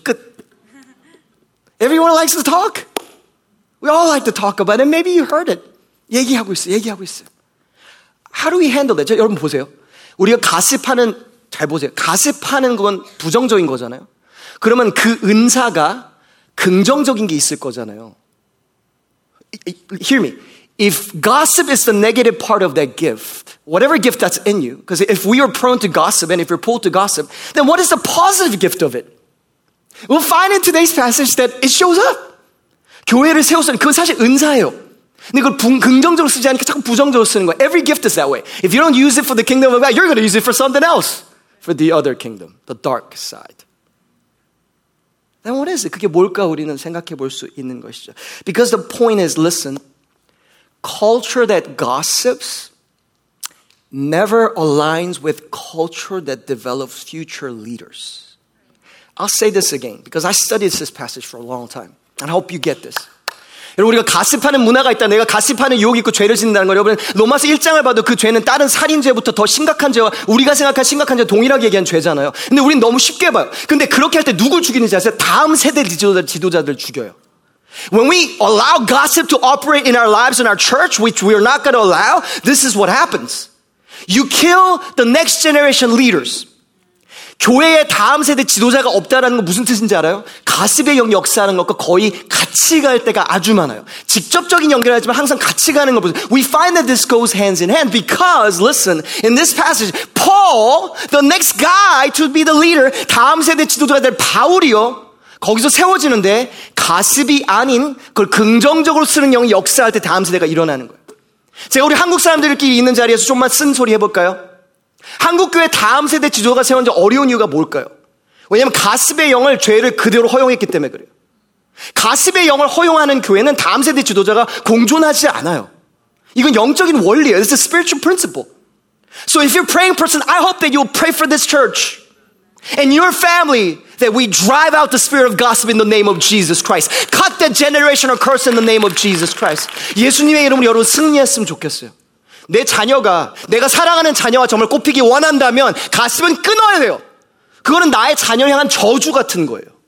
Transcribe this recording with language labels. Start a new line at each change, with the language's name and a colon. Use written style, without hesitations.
Korean: 끝.
English: Everyone likes to talk. We all like to talk about it. Maybe you heard it.
Korean: 얘기하고 있어요. 얘기하고 있어요.
English: How do we handle that?
Korean: 여러분 보세요. 우리가 가십하는, 잘 보세요. 가십하는 건 부정적인 거잖아요. 그러면 그 은사가 긍정적인 게 있을 거잖아요.
English: Hear me. If gossip is the negative part of that gift, whatever gift that's in you, because if we are prone to gossip and if you're pulled to gossip, then what is the positive gift of it? We'll find in today's passage that it shows up.
Korean: 교회를 세우는 그건 사실 은사예요. 근데 그걸 긍정적으로 쓰지 않으니까 자꾸 부정적으로 쓰는 거야.
English: Every gift is that way. If you don't use it for the kingdom of God, you're going to use it for something else. For the other kingdom, the dark side. Then what is it?
Korean: 그게 뭘까 우리는 생각해 볼 수 있는 것이죠.
English: Because the point is, listen, culture that gossips never aligns with culture that develops future leaders. I'll say this again, because I studied this passage for a long time. I hope you get this.
Korean: 여러분, 우리가 가십하는 문화가 있다. 내가 가십하는 유혹이 있고 죄를 짓는다는 거예요. 여러분, 로마서 1장을 봐도 그 죄는 다른 살인죄부터 더 심각한 죄와 우리가 생각할 심각한 죄와 동일하게 얘기한 죄잖아요. 근데 우리는 너무 쉽게 봐요. 근데 그렇게 할 때 누굴 죽이는지 아세요? 다음 세대 지도자들 죽여요.
English: When we allow gossip to operate in our lives and our church, which we are not going to allow, this is what happens. You kill the next generation leaders.
Korean: 교회에 다음 세대 지도자가 없다라는 건 무슨 뜻인지 알아요? 가십의 영 역사하는 것과 거의 같이 갈 때가 아주 많아요. 직접적인 연결을 하지만 항상 같이 가는 것 보세요.
English: We find that this goes hands in hand because, listen, in this passage, Paul, the next guy to be the leader,
Korean: 다음 세대 지도자가 될 바울이요. 거기서 세워지는데 가십이 아닌 그걸 긍정적으로 쓰는 영이 역사할 때 다음 세대가 일어나는 거예요. 제가 우리 한국 사람들끼리 있는 자리에서 좀만 쓴소리 해볼까요? 한국교회 다음 세대 지도자가 세워진 어려운 이유가 뭘까요? 왜냐하면 가십의 영을 죄를 그대로 허용했기 때문에 그래요. 가십의 영을 허용하는 교회는 다음 세대 지도자가 공존하지 않아요. 이건 영적인 원리예요.
English: It's a spiritual principle. So if you're a praying person, I hope that you'll pray for this church and your family that we drive out the spirit of gossip in the name of Jesus Christ. Cut that generational curse in the name of Jesus Christ.
Korean: 예수님의 이름으로 여러분 승리했으면 좋겠어요. 내 자녀가 내가 사랑하는 자녀와 정말 꽃피기 원한다면 가슴은 끊어야 돼요. 그거는 나의 자녀 향한 저주 같은 거예요.